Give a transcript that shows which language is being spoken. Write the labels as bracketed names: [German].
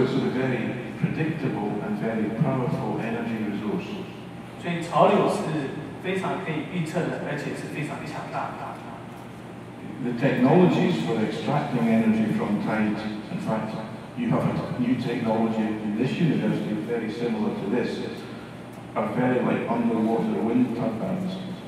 [English] it's a very predictable and very powerful energy resource. [Chinese] 所以潮流是 非常可以预测的，而且是非常强大的。 [English] The technologies for extracting energy from tides, in fact, you have a new technology in this university very similar to this, are very like underwater wind turbines.